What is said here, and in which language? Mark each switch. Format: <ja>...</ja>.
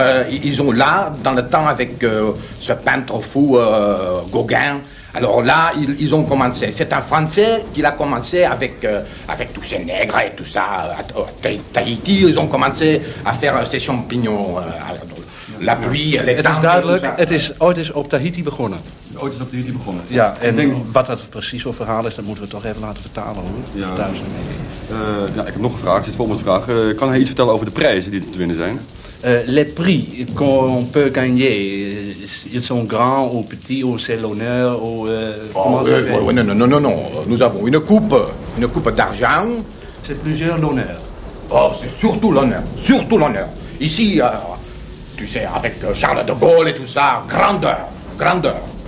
<fr>Ils ont là, dans le temps avec ce peintre fou, Gauguin, alors là, ils ont commencé. C'est un Français qui l'a commencé avec tous ces nègres et tout ça. À Tahiti, ils ont commencé à faire ces champignons. La pluie, les temps.</fr> <nl>Het is duidelijk, ooit is op Tahiti begonnen. Ooit is op Tahiti begonnen. Ja, en wat dat precies voor verhaal is, dat moeten we toch even laten vertalen, hoor. Ja. Ik heb nog een vraag, zit vol met vragen. Kan hij iets vertellen over de prijzen die er te winnen zijn?</nl> <fr>Les prix qu'on peut gagner, ils sont grands ou petits ou c'est l'honneur ou... Non. Nous avons une coupe d'argent. C'est plusieurs l'honneur. Oh, c'est surtout l'honneur, Ici, tu sais, avec Charles de Gaulle et tout ça, grandeur.</fr>